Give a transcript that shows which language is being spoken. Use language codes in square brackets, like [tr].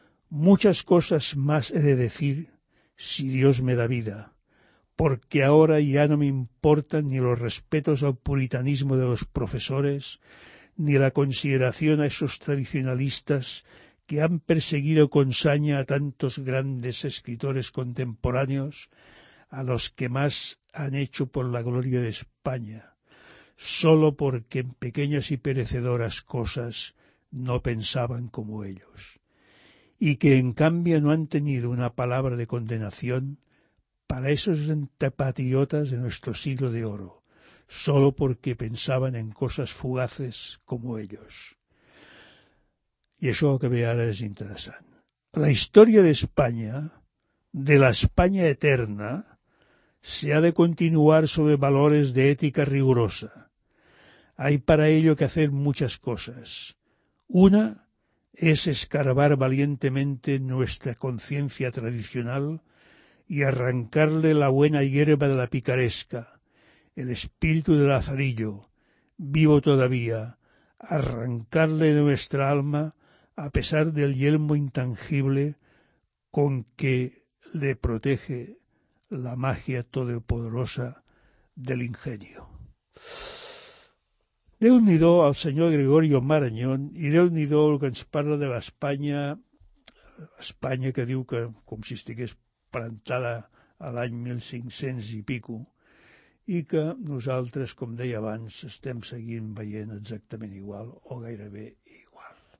[es] Muchas cosas más he de decir si Dios me da vida, porque ahora ya no me importan ni los respetos al puritanismo de los profesores, ni la consideración a esos tradicionalistas que han perseguido con saña a tantos grandes escritores contemporáneos, a los que más han hecho por la gloria de España, solo porque en pequeñas y perecedoras cosas no pensaban como ellos, y que en cambio no han tenido una palabra de condenación para esos antepatriotas de nuestro siglo de oro, solo porque pensaban en cosas fugaces como ellos». [ca] I això que ve ara és interessant. La història d'Espanya, de l'Espanya eterna, [es] se ha de continuar sobre valores de ética rigurosa. Hay para ello que hacer muchas cosas. Una es escarbar valientemente nuestra conciencia tradicional y arrancarle la buena hierba de la picaresca, el espíritu del lazarillo, vivo todavía, arrancarle de nuestra alma, a pesar del yelmo intangible con que le protege la magia todopoderosa del ingenio. [ca] Déu-n'hi-do al senyor Gregorio Marañón i déu-n'hi-do el que ens parla de l'Espanya, Espanya que diu que com si estigués plantada a l'any 1500 i pico, i que nosaltres, com deia abans, estem seguint veient exactament igual o gairebé igual.